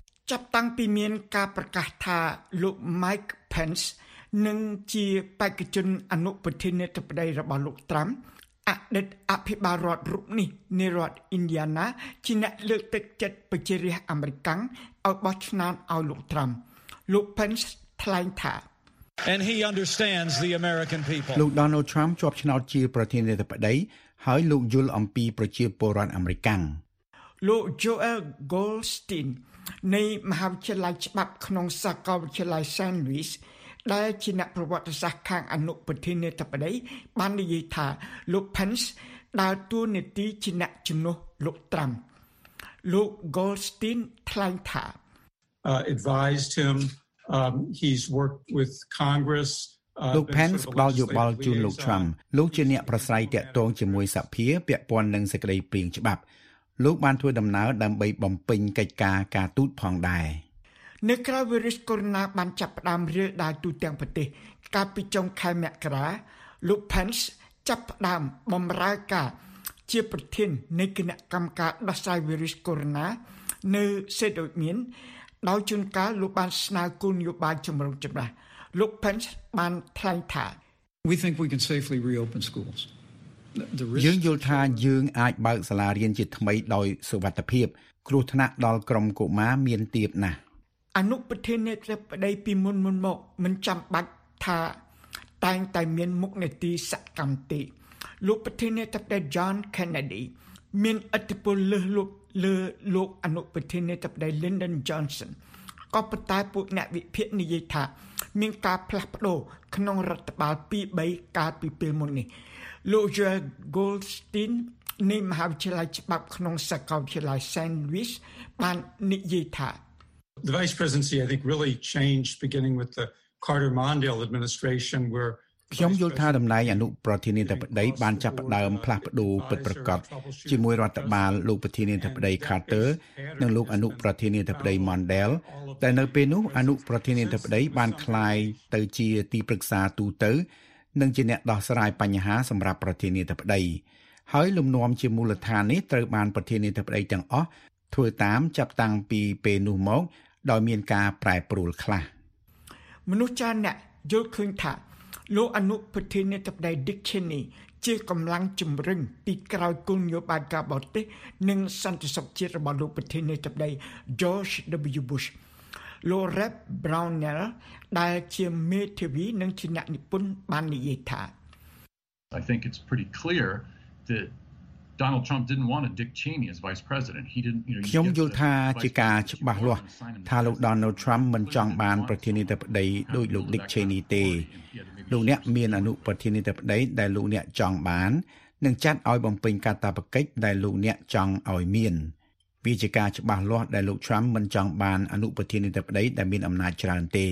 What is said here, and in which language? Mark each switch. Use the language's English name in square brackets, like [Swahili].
[Khmer] ចាប់តាំងពីមានការប្រកាសថាលោក Mike Pence នឹងជាបេក្ខជនអនុប្រធានាធិបតីរបស់លោក Trump អតីតអភិបាលរដ្ឋរូបនេះនៃរដ្ឋ Indiana ជាអ្នកលើកទឹកចិត្តប្រជារាស្ត្រអាមេរិកឲ្យបោះឆ្នោតឲ្យលោក Trump លោក Pence ថ្លែងថា [English] And he understands the American people [Khmer] លោក Donald Trump ជាប់ឆ្នោតជាប្រធានាធិបតីហើយលោកយល់អំពីប្រជាពលរដ្ឋអាមេរិក លោក Joel Goldstein នៃមហាវិទ្យាល័យច្បាប់ក្នុងសាកលវិទ្យាល័យ San Luis ដែលជាអ្នកប្រវត្តិសាស្ត្រខាងអនុប្រធានាធិបតីបាននិយាយថាលោក Pence ដើរតួនាទីជាអ្នកជំនួសលោក Trump លោក Goldstein ថ្លែងថា [English] advised him he's worked with Congress [Khmer] លោក Pence ផ្ដល់យោបល់ជូនលោក Trump លោកជាអ្នកប្រស្រ័យទាក់ទងជាមួយសភាពាក់ព័ន្ធនឹងសេចក្តីព្រាងច្បាប់លោកបានធ្វើដំណើរដើម្បីបំពេញកិច្ចការការទូតផងដែរ អ្នកក្រៅវីរុសកូណាបានចាប់ផ្ដើមរាលដាលទូទាំងប្រទេសកាលពីចុងខែមករាលោក Pence ចាប់ផ្ដើមបម្រើការជាប្រធាននៃគណៈកម្មការដោះស្រាយវីរុសកូណានៅសេដូមៀនដោយជួនកាលលោកបានស្នើគោលនយោបាយចម្រុះចម្រាស់លោក Pence បានថ្លែងថា [English] We think we can safely reopen schools [Khmer] យើងយល់ថាយើងអាចបើកសាលារៀនជាថ្មីដោយសុវត្ថិភាពគ្រោះថ្នាក់ដល់ក្រុមកុមារមានទៀតណាស់ អនុប្រធានាធិបតីពីមុនមកមិនចាំបាច់ថាតែងតែមានមុខនីតិសកម្មទេលោកប្រធានាធិបតី John Kennedy មានឥទ្ធិពលលើលោកអនុប្រធានាធិបតី Lyndon Johnson ក៏ប៉ុន្តែពួកអ្នកវិភាគនិយាយថាមានការផ្លាស់ប្ដូរក្នុងរដ្ឋបាល2-3កាលពីពេលមុននេះលោក Joel Goldstein នៃមហាវិទ្យាល័យច្បាប់ក្នុងសាកលវិទ្យាល័យ San Luis បាននិយាយថា [English] The vice presidency I think really changed beginning with the Carter Mondale administration where [Khmer] ខ្ញុំយល់ថាតំណែងអនុប្រធានាធិបតីបានចាប់ផ្ដើមផ្លាស់ប្ដូរពិតប្រាកដជាមួយរដ្ឋបាលលោកប្រធានាធិបតី Carter និងលោកអនុប្រធានាធិបតី Mondale តែនៅពេលនោះអនុប្រធានាធិបតីបានក្លាយទៅជាទីប្រឹក្សាទូទៅនិងជាអ្នកដោះស្រាយបញ្ហាសម្រាប់ប្រធានាធិបតីហើយលំនាំជាមូលដ្ឋាននេះត្រូវបានប្រធានាធិបតីទាំងអស់ធ្វើតាមចាប់តាំងពីពេលនោះមកដោយមានការប្រែប្រួលខ្លះ មនុស្សចាស់អ្នកយល់ឃើញថាលោកអនុប្រធានាធិបតី Dick Cheney ជាកម្លាំងជំរុញទីក្រោយគោលនយោបាយការបរទេសនិងសន្តិសុខជាតិរបស់លោកប្រធានាធិបតី George W. Bush លោក Rep Brownell ដែលជាមេធាវីនិងជាអ្នកនិពន្ធបាននិយាយថា [English] I think it's pretty clear thatDonald Trump didn't want Dick Cheney as vice president. He didn't, you know, [Khmer] យល់ថាជាការច្បាស់លាស់ថាលោក Donald Trump មិនចង់បានប្រធានាធិបតីដោយលោក Dick Cheney ទេ។លោកអ្នកមានអនុប្រធានាធិបតីដែលលោកអ្នកចង់បាននិងចាត់ឲ្យបំពេញកាតព្វកិច្ចដែលលោកអ្នកចង់ឲ្យមាន។វាជាការច្បាស់លាស់ដែលលោក Trump មិនចង់បានអនុប្រធានាធិបតីដែលមានអំណាចច្រើនទេ